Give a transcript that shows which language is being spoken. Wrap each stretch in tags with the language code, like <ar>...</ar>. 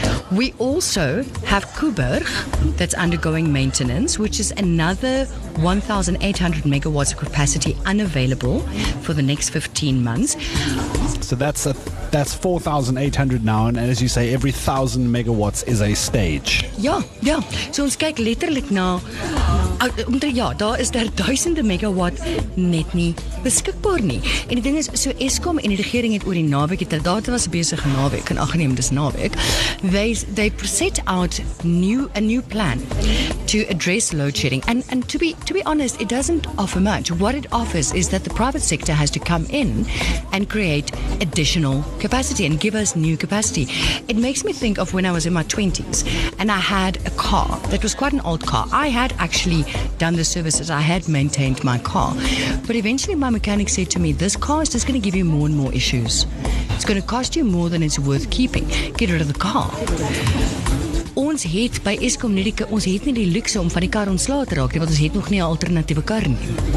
<en>We also have Kuiberg that's undergoing maintenance, which is another 1,800 megawatts of capacity unavailable for the next 15 months. So that's 4,800 now, and as you say, every 1,000 megawatts is a stage. Yeah.</en> <af>So ons kyk letterlik na, daar is daar duisende megawatt net nie beskikbaar nie. En die ding is, so Eskom en die regering het oor die naweek, het daar was besig naweek, en aangeneem, dis naweek,</af> <en>they set out a new plan to address load shedding. And to be honest, it doesn't offer much. What it offers is that the private sector has to come in and create additional capacity and give us new capacity. It makes me think of when I was in my 20s and I had a car that was quite an old car. I had actually done the services. I had maintained my car. But eventually my mechanic said to me, this car is just going to give you more and more issues. It's going to cost you more than it's worth keeping. Get rid of the car.</en> <af>Ons het by Eskom nie die, ons het nie die luxe om van die kar ontslae te raak, want ons het nog nie 'n alternatiewe kar nie.</af>